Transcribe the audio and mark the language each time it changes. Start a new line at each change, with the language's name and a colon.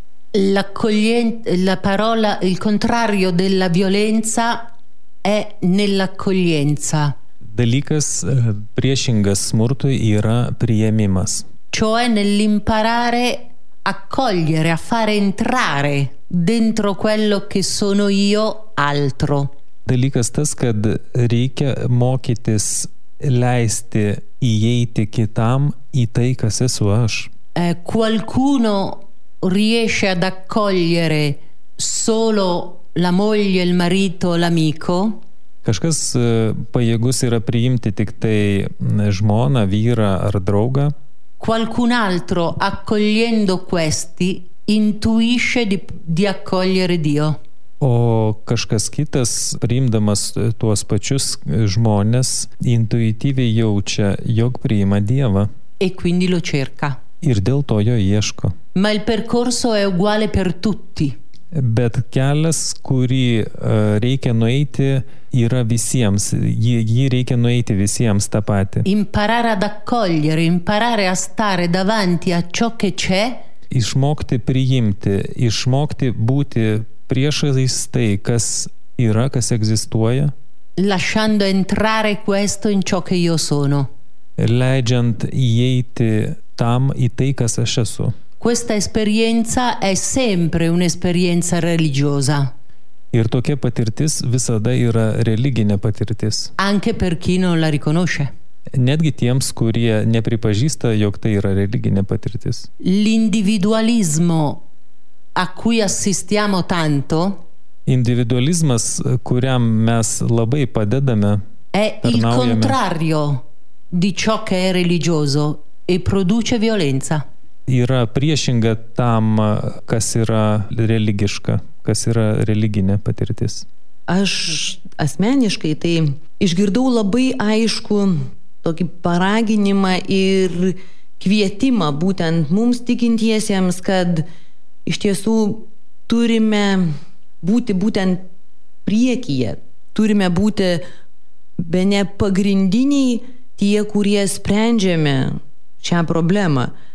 Italian: La parola, il contrario della violenza è nell'accoglienza.
Lithuanian: Dalykas priešingas smurtui yra priėmimas.
Italian: Cioè nell'imparare accogliere, a fare entrare dentro quello che sono io altro.
Lithuanian: Dalykas tas, kad reikia mokytis leisti įeiti kitam į tai, kas esu aš.
Italian: qualcuno riesce ad accogliere solo la moglie, il marito, l'amico.
Lithuanian: Kažkas pajėgus yra priimti tik tai žmoną, vyrą ar draugą.
Italian: Qualcun altro, accogliendo questi, intuisce di accogliere Dio.
Lithuanian: O kažkas kitas, priimdamas tuos pačius žmonės, intuityviai jaučia, jog priima Dievą.
Italian: E quindi lo cerca.
Lithuanian: Ir dėl to jo ieško.
Italian: Ma il percorso è uguale per tutti.
Lithuanian: Bet kelias, kurį reikia nueiti, yra visiems. Jį reikia nueiti visiems tą patį.
Italian: Imparare ad accogliere, imparare a stare davanti a ciò che c'è.
Lithuanian: Išmokti priimti, išmokti būti priešais tai, kas yra, kas egzistuoja.
Italian: Lasciando entrare questo in ciò che io sono.
Lithuanian: Leidžiant įeiti tam į tai, kas aš esu.
Italian: Questa esperienza è sempre un'esperienza religiosa.
Lithuanian: Ir tokia patirtis visada yra religinė patirtis.
Italian: Anche per chi non la riconosce.
Lithuanian: Netgi tiems, kurie nepripažįsta, jog tai yra religinė patirtis.
Italian: L'individualismo a cui assistiamo tanto.
Lithuanian: Individualizmas, kuriam mes labai padedame.
Italian: È il contrario di ciò che è religioso e produce violenza.
Lithuanian: Yra priešinga tam, kas yra religiška, kas yra religinė patirtis. Aš asmeniškai tai išgirdau labai aišku tokį paraginimą ir kvietimą būtent mums tikintiesiems, kad iš tiesų turime būti būtent priekyje, turime būti bene pagrindiniai tie, kurie sprendžiame šią problemą.